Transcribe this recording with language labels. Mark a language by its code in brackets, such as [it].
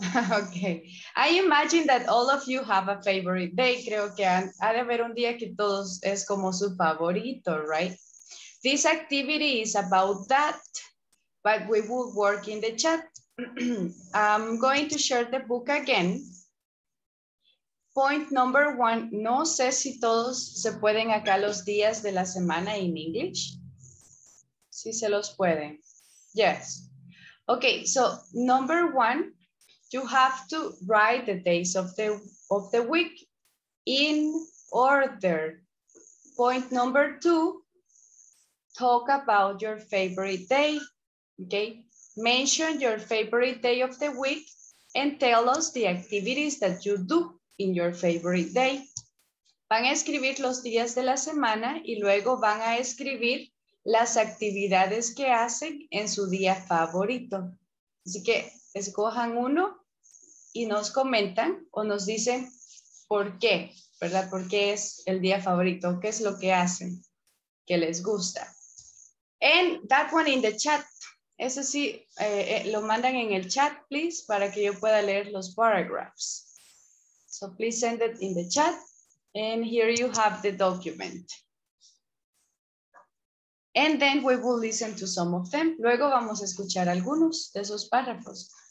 [en] Okay, I imagine that all of you have a favorite day. [es] Creo que ha de haber un día que todos es como su favorito, [en] right? This activity is about that, but we will work in the chat. I'm going to share the book again. Point number one, [es] no sé si todos se pueden acá los días de la semana [en] in English. [es] Si se los pueden. [en] Yes. Okay, so number one, you have to write the days of the week in order. Point number two, talk about your favorite day. Okay, mention your favorite day of the week and tell us the activities that you do in your favorite day. [es] Van a escribir los días de la semana y luego van a escribir las actividades que hacen en su día favorito. Así que escojan uno y nos comentan o nos dicen por qué, ¿verdad? ¿Por qué es el día favorito? ¿Qué es lo que hacen que les gusta? [en] And that one in the chat. [es] Eso sí, lo mandan en el chat, [en] please, [es] para que yo pueda leer los paragraphs. [en] So please send it in the chat. And here you have the document. And then we will listen to some of them. [es] Luego vamos a escuchar algunos de esos párrafos.